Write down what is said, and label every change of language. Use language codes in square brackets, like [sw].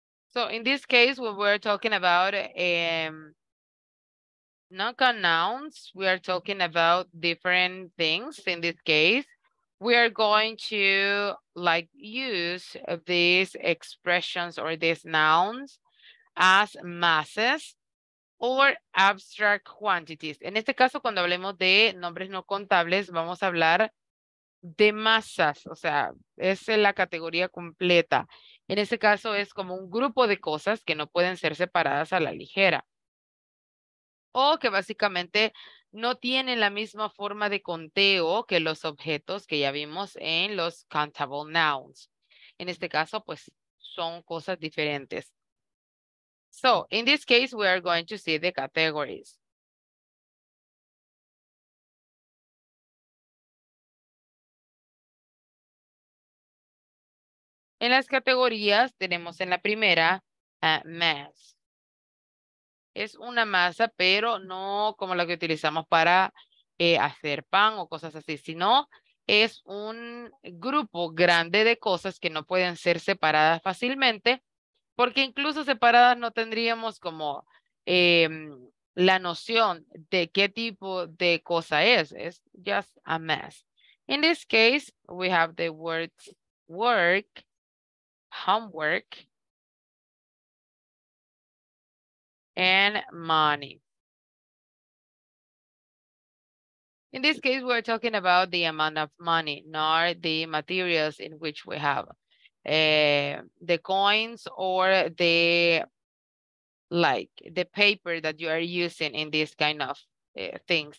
[en] So in this case, when we're talking about noun nouns, we are talking about different things. In this case, we are going to like use these expressions or these nouns as masses or abstract quantities. [es] En este caso, cuando hablemos de nombres no contables, vamos a hablar de masas, o sea, es la categoría completa. En este caso es como un grupo de cosas que no pueden ser separadas a la ligera. O que básicamente no tienen la misma forma de conteo que los objetos que ya vimos en los [en] countable nouns. [es] En este caso, pues, son cosas diferentes. [en] So, in this case, we are going to see the categories. [es] En las categorías tenemos en la primera mass. Es una masa, pero no como la que utilizamos para hacer pan o cosas así, sino es un grupo grande de cosas que no pueden ser separadas fácilmente, porque incluso separadas no tendríamos como la noción de qué tipo de cosa es. [en] Es just a mass. In this case, we have the words work, homework, and money. In this case, we're talking about the amount of money, not the materials in which we have the coins or the like the paper that you are using in this kind of things.